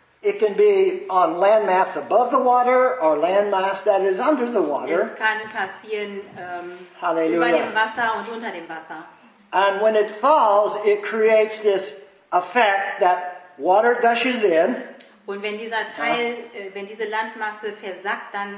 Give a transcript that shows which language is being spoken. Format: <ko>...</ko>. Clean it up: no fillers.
<en>It can be on landmass above the water or landmass that is under the water.</en> <de>Es kann passieren über dem Wasser und unter dem Wasser.</de> <en>And when it falls, it creates this effect that water gushes in.</en> <de>Und wenn dieser Teil, wenn diese Landmasse versackt,</de>